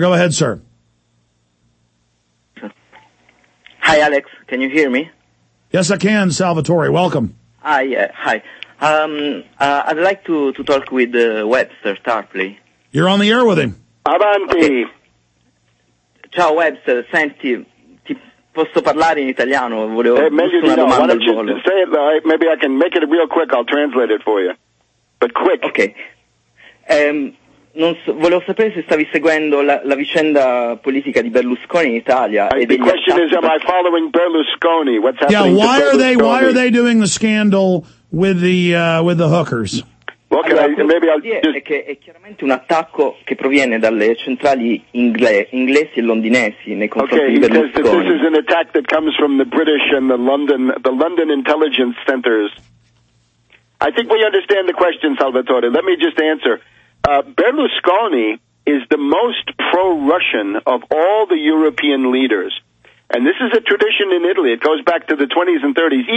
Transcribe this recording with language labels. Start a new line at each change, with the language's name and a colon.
English: Go ahead, sir. Hi, Alex. Can you hear me? Yes, I can, Salvatore. Welcome. Hi. I'd like to talk with Webster Tarpley. You're on the air with him.
Italian: Avanti. Okay. Ciao, Webster. Senti, ti posso parlare in italiano? Volevo Una domanda al volo.
English: Say it, maybe I can make it real quick. I'll translate it for you. But quick. Okay.
Italian: Volevo sapere se stavi seguendo la vicenda politica di Berlusconi in Italia.
English: The question is, am I following Berlusconi? What's happening? Yeah, why are they doing the scandal with the hookers? Okay, allora, maybe I'll just...
Italian: è chiaramente un attacco che proviene dalle centrali inglesi e londinesi nei confronti di Berlusconi.
English: Okay, this is an attack that comes from the British and the London intelligence centers. I think we understand the question, Salvatore. Let me just answer. Berlusconi is the most pro-Russian of all the European leaders. And this is a tradition in Italy. It goes back to the 20s and 30s.